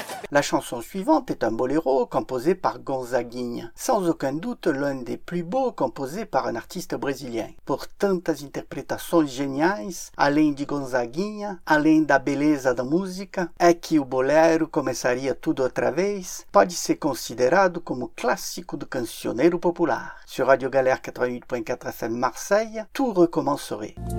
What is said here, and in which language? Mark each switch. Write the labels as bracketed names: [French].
[French] La chanson suivante est un boléro composé par Gonzaguinha, sans aucun doute l'un des plus beaux composés par un artiste brésilien. [Portuguese] Por tantas interpretações geniais, além de Gonzaguinha, além da beleza da música, é que o bolero Começaria Tudo Outra Vez pode ser considerado como clássico do cancioneiro popular. [French] Sur Radio Galère 88.4 FM Marseille, tout recommencerait.